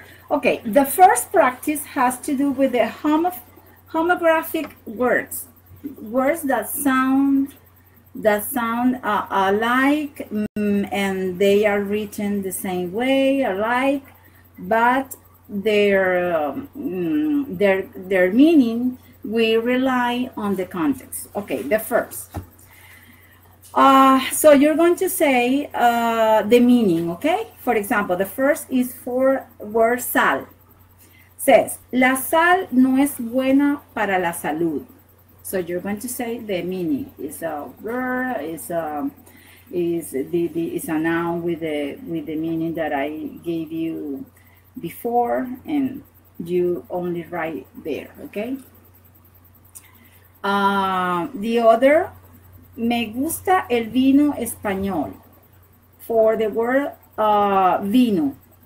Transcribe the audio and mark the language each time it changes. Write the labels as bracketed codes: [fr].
[en] Okay, the first practice has to do with the homographic words that sound alike, and they are written the same way, alike, but their meaning, we rely on the context. Okay, the first. So you're going to say the meaning, okay? For example, the first is for word sal. Says, [es] la sal no es buena para la salud. [en] So you're going to say the meaning. It's a verb, it's a noun with the meaning that I gave you before, and you only write there, okay? The other, [es] me gusta el vino español, [en] for the word vino.